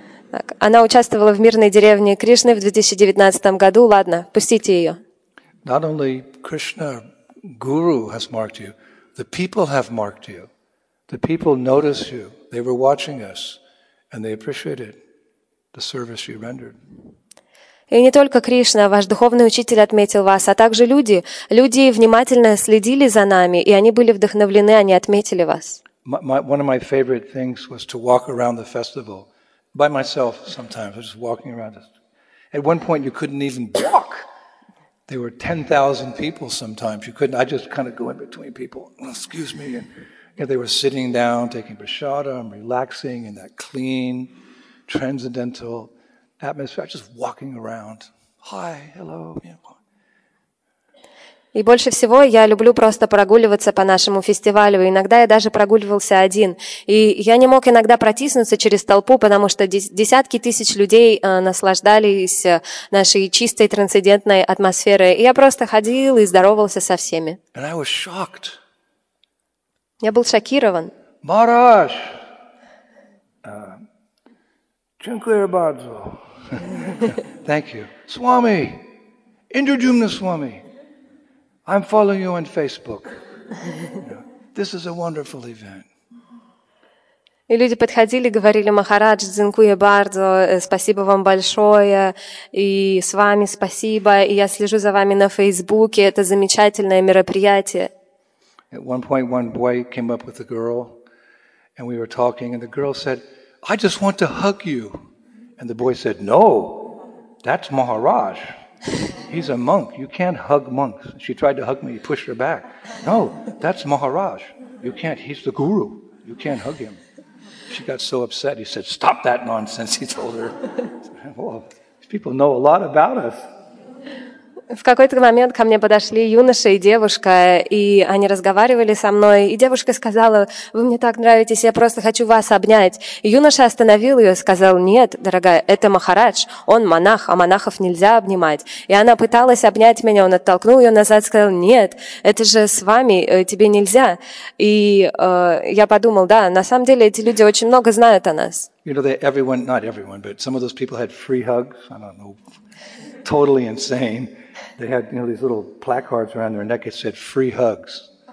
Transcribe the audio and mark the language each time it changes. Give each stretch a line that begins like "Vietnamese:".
Russian: Так, она участвовала в мирной деревне Кришны в 2019 году. Ладно, пустите ее.
English: Not only Krishna Guru has marked you, the people have marked you. The people notice you. They were watching us, and they appreciated the service you rendered.
Russian: И не только Кришна, ваш духовный учитель отметил вас, а также люди. Люди внимательно следили за нами, и они были вдохновлены, они отметили вас.
English: One of my favorite things was to walk around the festival by myself sometimes, just walking around. At one point you couldn't even walk. There were 10,000 people sometimes. You couldn't, I just kind of go in between people. Excuse me. And they were sitting down, taking prasadam, relaxing in that clean, transcendental atmosphere, just walking around. Hi, hello.
Russian: И больше всего я люблю просто прогуливаться по нашему фестивалю. Иногда я даже прогуливался один. И я не мог иногда протиснуться через толпу, потому что десятки тысяч людей наслаждались нашей чистой трансцендентной атмосферой. И я просто ходил и здоровался со всеми.
English: And I was shocked.
Russian: Я был шокирован.
English: Maharaj! Chinkler Bhadzo. Thank you. Swami, Indrajumna Swami, I'm following you on Facebook. This is a wonderful event.
Russian: И люди подходили, говорили: Махарадж,
Polish: дзинкуя бардзо,
Russian: спасибо вам большое, и с вами спасибо, и я слежу за вами на Фейсбуке, это замечательное мероприятие.
English: At one point, one boy came up with a girl, and we were talking, and the girl said, I just want to hug you. And the boy said, no, that's Maharaj. He's a monk. You can't hug monks. She tried to hug me. He pushed her back. No, that's Maharaj. You can't. He's the guru. You can't hug him. She got so upset. He said, stop that nonsense, he told her. Whoa, these people know a lot about us.
Russian: В какой-то момент ко мне подошли юноша и девушка, и они разговаривали со мной, и девушка сказала, вы мне так нравитесь, я просто хочу вас обнять. И юноша остановил ее и сказал, нет, дорогая, это Махарадж, он монах, а монахов нельзя обнимать. И она пыталась обнять меня, он оттолкнул ее назад, сказал, нет, это же с вами, тебе нельзя. И я подумал, да, на самом деле эти люди очень много знают о нас.
English: You know, everyone, not everyone, but some of those people had free hugs, I don't know, totally insane. They had, you know, these little placards around their neck that said free hugs.